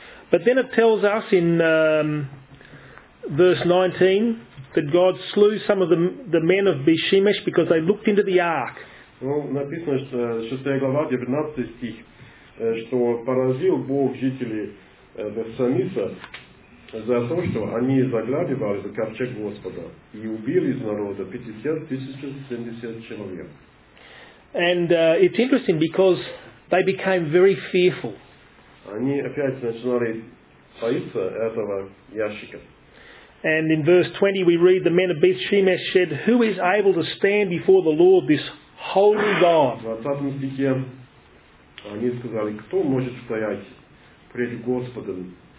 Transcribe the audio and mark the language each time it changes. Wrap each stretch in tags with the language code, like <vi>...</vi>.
<en>But then it tells us in verse 19 that God slew some of the men of Bishemesh because they looked into the ark.</en> <ru>Написано, что 6 глава, 19 стих, что поразил Бог жителей Бешемеша за то, что они заглядывали в ковчег Господа и убили из народа 50 070 человек.</ru> <en>And it's interesting because they became very fearful.</en> <ru>Они опять начинали боиться этого ящика.</ru> <en>And in verse 20 we read the men of Bethshemesh said, who is able to stand before the Lord, this holy God?</en> <ru>В 20 стихе они сказали, кто может стоять пред Господом?</ru>